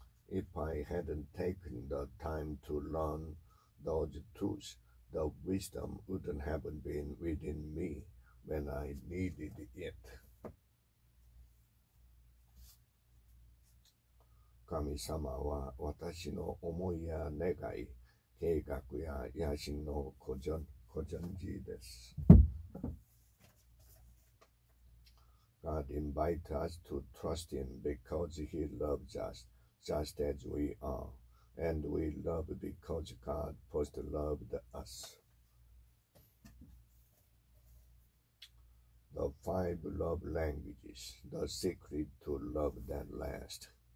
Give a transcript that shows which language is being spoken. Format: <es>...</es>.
<en>If I hadn't taken the time to learn those truths, the wisdom wouldn't have been within me when I needed it.</en> <ja>神様は私の思いや願い、計画や野心のご存知です。</ja> <en>God invites us to trust Him because He loves us just as we are, and we love because God first loved us. The five love languages, the secret to love that lasts.</en>